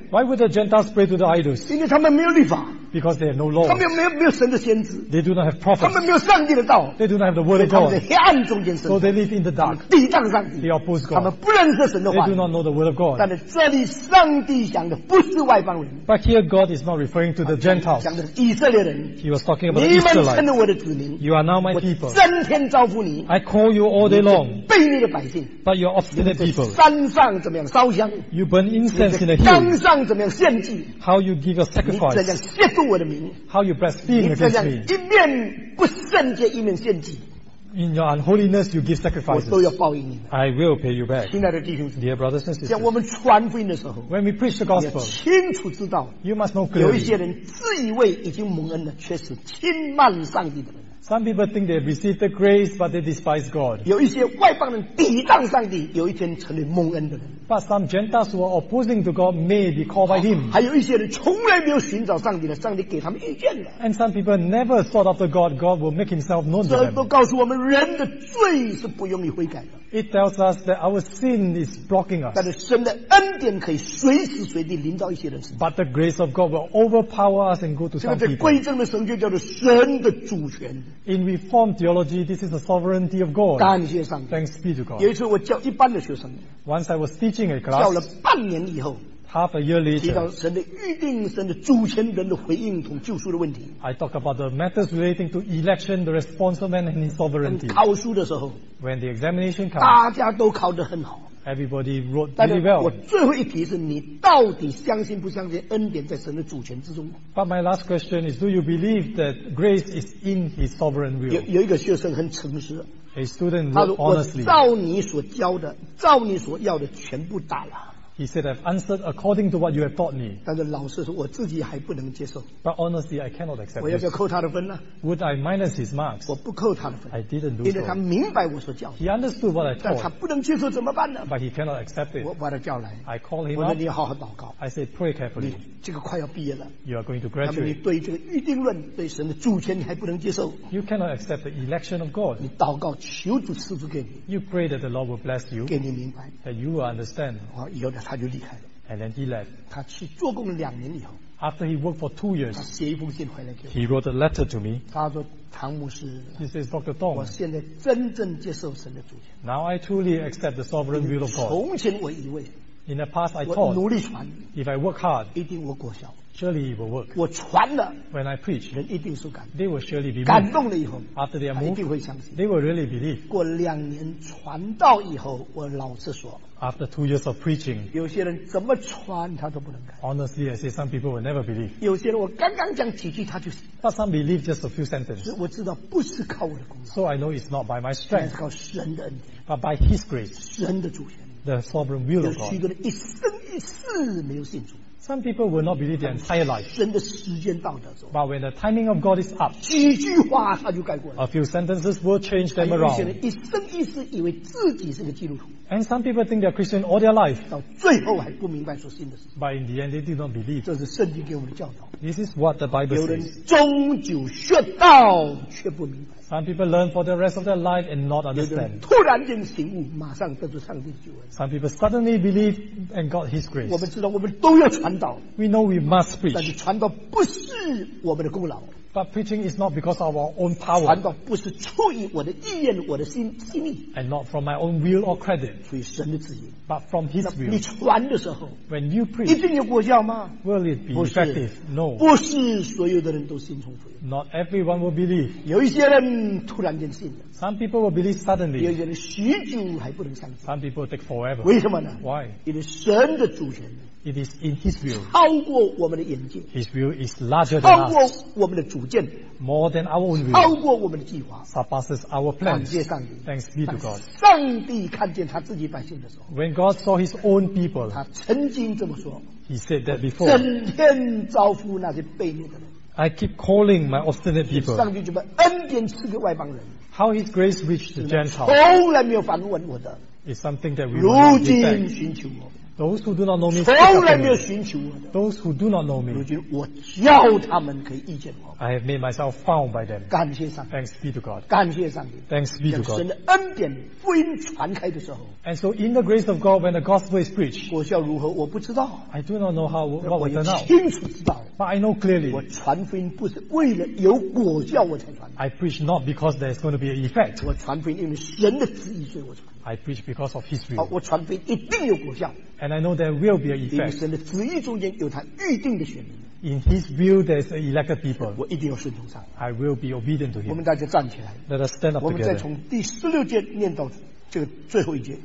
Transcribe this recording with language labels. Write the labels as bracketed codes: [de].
[en] ？Why would the Gentiles pray to the idols？ [zh] 因为他们没有律法。 [en] Because they have no law. [zh] 他们没有神的先知。 [en] They do not have prophets. [zh] 他们没有上帝的道。 [en] They do not have the word of God. [zh] 他们在黑暗中间生活。 [en] So they live in the dark. [zh] 抵挡上帝。 [en] They oppose God. [zh] 他们不认识神的话。 [en] They do not know the word of God. [zh] 但是这里上帝讲的不是外邦人。 [en] But here God is not referring to the Gentiles. [zh] 讲的是以色列人。 [en] He was talking about the Israelites. [zh] 你们称了我的子民。 [en] You are now my people. [zh] 我整天招呼你。 [en] I call you all day long. [zh] 你背逆的百姓。 [en] But you are obstinate people. [zh] 山上怎么样烧香 [en] ？You burn incense in the hills. [zh] 冈上怎么样献祭 [en] ？How you give a sacrifice? [zh] 你怎样亵渎我的名 [en] ？How you blaspheme against me? [zh] 你怎样一面不圣洁一面献祭？ [en] In your unholiness, you give sacrifices. [zh] 我都要报应你。 [en] I will pay you back. [zh] 亲爱的弟兄姊妹 [en] ，Dear brothers and sisters, [zh] 像我们传福音的时候 [en] ，When we preach the gospel, [zh] 你要清楚知道 [en] ，You must know clearly. [zh] 有一些人自以为已经蒙恩了，却是轻慢上帝的人。 [en] Some people think they received the grace, but they despise God. [zh] 有一些外邦人抵挡上帝，有一天成为蒙恩的人。 [en] But some Gentiles who are opposing to God may be called by Him. [zh] 还有一些人从来没有寻找上帝的，上帝给他们遇见了。 [en] And some people never sought after God. God will make Himself known to them. [zh] 这都告诉我们，人的罪是不容易悔改的。 [en] It tells us that our sin is blocking us. [zh] 但是神的恩典可以随时随地临到一些人身上。 [en] But the grace of God will overpower us and go to some people. [zh] 这个在归正的神学叫做神的主权。 [en] In Reformed theology, this is the sovereignty of God. [zh] 感谢上帝。 [en] Thanks be to God. [zh] 有一次我教一般的学生。 [en] Once I was teaching a class. [zh] 教了半年以后。 [en] half a year later, [zh] 提到神的预定、神的主权、人的回应同救赎的问题。 [en] I talk about the matters relating to election, the response of man, and his sovereignty. [zh] 考书的时候 [en] ，when the examination comes, [zh] 大家都考得很好。 [en] Everybody wrote really well. [zh] 我最后一题是你到底相信不相信恩典在神的主权之中 [en] ？But my last question is, do you believe that grace is in His sovereign will? [zh] 有一个学生很诚实。 [en] A student wrote honestly. [zh] 他说我照你所教的，照你所要的全部答了。 [en] He said, I've answered according to what you have taught me. [zh] 但是老师说我自己还不能接受。 [en] But honestly, I cannot accept. [zh] 我要不要扣他的分呢 [en] ？Would I minus his marks? [zh] 我不扣他的分。 [en] I didn't do so. [zh] 因为他明白我所教的。 [en] He understood what I taught. [zh] 但他不能接受怎么办呢 [en] ？But he cannot accept it. [zh] 我把他叫来。 [en] I call him [zh] up. 我说你好好祷告。 [en] I said, pray carefully. [zh] 你这个快要毕业了。 [en] You are going to graduate. [zh] 那么你对这个预定论、对神的主权你还不能接受 [en] ？You cannot accept the election of God. [zh] 你祷告求主赐福给你。 [en] You pray that the Lord will bless you. [zh] 给你明白。 [en] That you will understand. [zh] 好，以后呢？他就离开了。 [en] And then he left. [zh] 他去做工两年以后。 [en] After he worked for 2 years. [zh] 他写一封信回来给我。 [en] He wrote a letter to me. [zh] 他说：“唐牧师。 [en] ”He says, Dr. Tong. [zh] 我现在真正接受神的主权。 [en] Now I truly accept the sovereign will of God. [zh] 从前我以为。 [en] In the past I taught. [zh] 我努力传。 [en] If I work hard. [zh] 一定我果效。 [en] Surely it will work. [zh] 我传了。 [en] When I preach. [zh] 人一定受感动。 [en] They will surely be moved. [zh] 感动了以后。 [en] After they are moved. [zh] 一定会相信。 [en] They will really believe. [zh] 过两年传道以后，我老实说。 [en] After 2 years of preaching, [zh] 有些人怎么传他都不能改。 [en] Honestly, I say some people will never believe. [zh] 有些人我刚刚讲几句他就。 [en] But some believe just a few sentences. [zh] 我知道不是靠我的功劳。 [en] So I know it's not by my strength. [zh] 是靠神的恩典。 [en] But by His grace. [zh] 神的主权。 [en] The sovereign will of God. [zh] 有许多人一生一世没有信主。 [en] Some people will not believe their entire life. [zh] 神的时间到的时候。 [en] But when the timing of God is up, [zh] 几句话他就改过了。 [en] A few sentences will change them around. [zh] 有些人一生一世以为自己是个基督徒。 [en] And some people think they're Christian all their life. [zh] 到最后还不明白所信的事。 [en] But in the end, they do not believe. [zh] 这是圣经给我们的教导。 [en] This is what the Bible says. [zh] 有人终究学道却不明白。 [en] Some people learn for the rest of their life and not understand. [zh] 突然间醒悟，马上得到上帝的救恩。 [en] Some people suddenly believe and got His grace. [zh] 我们知道我们都要传道。 [en] We know we must preach. [zh] 但是传道不是我们的功劳。 [en] But preaching is not because of our own power. [zh] 传道不是出于我的意愿，我的心意。 [en] And not from my own will or credit. [zh] 出于神的旨意。 [en] But from His will. [zh] 你传的时候 [en] ，When you preach, [zh] 一定有果效吗 [en] ？Will it be effective? No. [zh] 不是所有的人都信从福音。 [en] Not everyone will believe. [zh] 有一些人突然间信了。 [en] Some people will believe suddenly. [zh] 有些人许久还不能相信。 [en] Some people take forever. [zh] 为什么呢 [en] ？Why? [zh] 因为神的主权。 [en] It is in His will. [zh] 超过我们的眼界。 [en] His will is larger than us. [zh] 超过我们的主见。 [en] More than our own will. [zh] 超过我们的计划。 [en] Surpasses our plans. [zh] 感谢上帝。 [en] Thanks be to God. [zh] 上帝看见他自己百姓的时候。 [en] When God saw His own people. [zh] 他曾经这么说。 [en] He said that before. [zh] 整天招呼那些悖逆的人。 [en] I keep calling my obstinate people. [zh] 上帝就把恩典赐给外邦人。 [en] How His grace reached the Gentiles. [zh] 从来没有反问我的。 [en] Is something that we will not reject. [zh] 如今寻求我。 [en] Those who do not know me, [zh] 从来没有寻求我的。 [en] Those who do not know me, [zh] 如今我叫他们可以遇见我。 [en] I have made myself found by them. [zh] 感谢上帝。 [en] Thanks be to God. [zh] 感谢上帝。 [en] Thanks be to God. [zh] 神的恩典福音传开的时候。 [en] And so in the grace of God, when the gospel is preached, [zh] 果效如何我不知道。 [en] I do not know how what will turn out. [zh] 我清楚知道。 [en] But I know clearly. [zh] 我传福音不是为了有果效我才传。 [en] I preach not because there is going to be an effect. [zh] 我传福音因为神的旨意所以我传。 [en] I preach because of His will. [zh] 我传福音一定有果效。 [en] And I know there will be an effect. [zh] 因为神的旨意中间有他预定的选民。 [en] In His will, there is an elected people. [zh] 我一定要顺从上。 [en] I will be obedient to Him. [zh] 我们大家站起来。 [en] Let us stand up together. [zh] 我们再从第十六节念到这个最后一节。